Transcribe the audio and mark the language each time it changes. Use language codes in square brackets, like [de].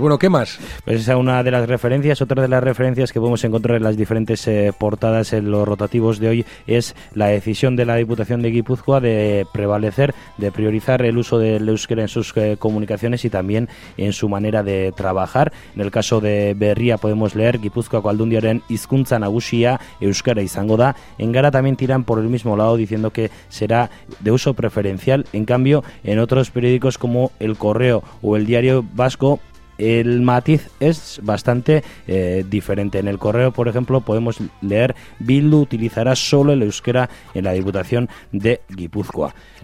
[es] Bueno, ¿qué más? Pues esa es una de las referencias. Otra de las referencias que podemos encontrar en las diferentes portadas en los rotativos de hoy es la decisión de la Diputación de Guipúzcoa de prevalecer, de priorizar el uso del euskera en sus comunicaciones y también en su manera de trabajar. En el caso de Berria podemos leer: [eu] Guipúzcoako Aldundiaren hizkuntza nagusia euskera izango da. [es] En Gara también tiran por el mismo lado, diciendo que será de uso preferencial. En cambio, en otros periódicos como El Correo o El Diario Vasco, el matiz es bastante diferente. En El Correo, por ejemplo, podemos leer: Bildu utilizará solo el euskera en la Diputación de Guipúzcoa.